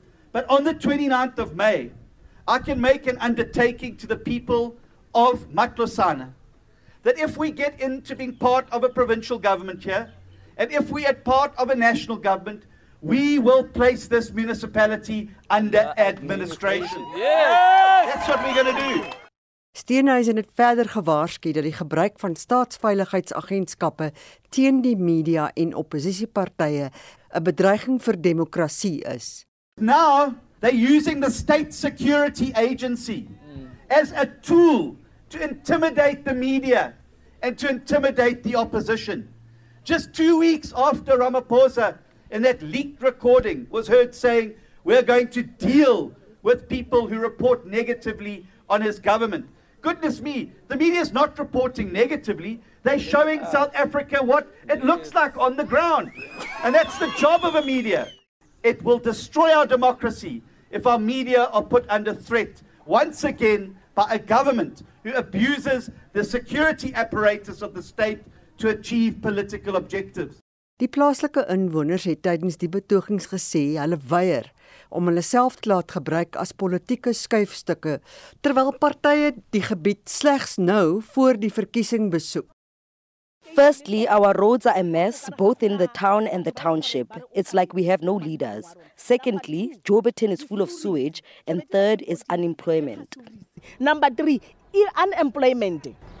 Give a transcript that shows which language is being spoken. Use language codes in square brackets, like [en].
[en] But on the 29th of May, I can make an undertaking to the people of Matlosana that if we get into being part of a provincial government here, and if we are part of a national government, we will place this municipality under administration. Yes. That's what we're going to do. [af] Steenhuisen het verder gewaarsku dat die gebruik van staatsveiligheidsagentskappe teen die media en opposisiepartye 'n bedreiging vir demokrasie is. [en] Now they're using the State Security Agency as a tool to intimidate the media and to intimidate the opposition. Just 2 weeks after Ramaphosa in that leaked recording was heard saying we're going to deal with people who report negatively on his government. Goodness me, the media is not reporting negatively. They're showing South Africa what it looks like on the ground. And that's the job of a media. It will destroy our democracy if our media are put under threat once again by a government who abuses the security apparatus of the state to achieve political objectives. [af] Die plaaslike inwoners het tydens die betogings gesê hulle weier om hulle self te laat gebruik as politieke skuifstukke, terwyl partye die gebied slegs nou voor die verkiesing besoek. [en] Firstly, our roads are a mess, both in the town and the township. It's like we have no leaders. Secondly, Joburg is full of sewage. And third is unemployment. Number three, unemployment.